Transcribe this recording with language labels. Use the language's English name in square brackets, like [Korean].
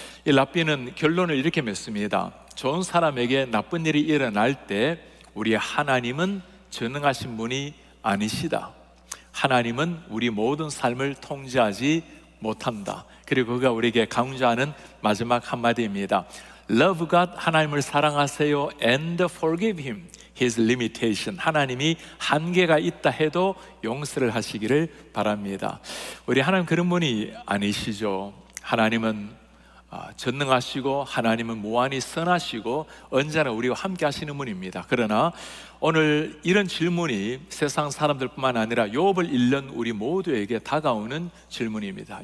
[Korean] 이 랍비는 결론을 이렇게 맺습니다. 좋은 사람에게 나쁜 일이 일어날 때 우리 하나님은 전능하신 분이 아니시다. 하나님은 우리 모든 삶을 통제하지 못한다. 그리고 그가 우리에게 강조하는 마지막 한마디입니다. [English] Love God, [Korean] 하나님을 사랑하세요. [English] And forgive him his limitation. [Korean] 하나님이 한계가 있다 해도 용서를 하시기를 바랍니다. 우리 하나님 그런 분이 아니시죠. 하나님은 전능하시고 하나님은 무한히 선하시고 언제나 우리와 함께 하시는 분입니다. 그러나 오늘 이런 질문이 세상 사람들뿐만 아니라 욥을 잃는 우리 모두에게 다가오는 질문입니다.